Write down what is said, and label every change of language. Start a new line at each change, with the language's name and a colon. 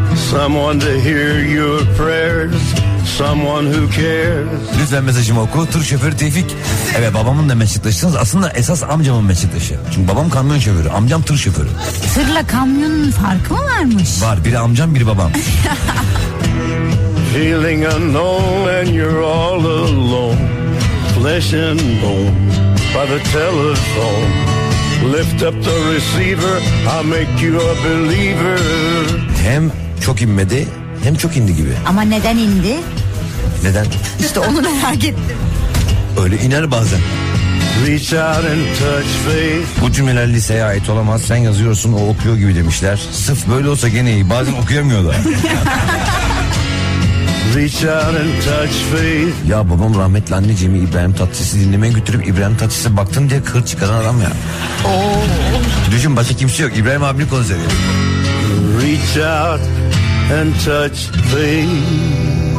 English: Someone to hear your prayers. Someone who cares.
Turkish: Lütfen mesajımı oku. Tur şoförü Tevfik. Evet, babamın da meslektaşısınız. Aslında esas amcamın meslektaşı. Çünkü babam kamyon şoförü. Amcam tur şoförü. Tırla kamyonun farkı mı varmış? Var. Biri amcam, biri babam.
English: Feeling unknown and you're all alone. Flesh and bone by the telephone. Lift up the receiver. I'll make you a believer.
Turkish: Hem çok inmedi, hem çok indi gibi. Ama neden indi? Neden? İşte onu merak ettim. Öyle iner bazen.
English: Reach out and touch faith.
Turkish: Bu cümleler liseye ait olamaz. Sen yazıyorsun, o okuyor gibi demişler. Sırf böyle olsa gene iyi. Bazen okuyamıyorlar.
English: Reach out and touch faith.
Turkish: Ya babam rahmetli anneciğimi İbrahim Tatlıses'i dinlemeye götürüp İbrahim Tatlıses'e baktım diye kır çıkaran adam ya. Düşün, başka kimse yok. İbrahim abinin konseri.
English: Reach out and touch things.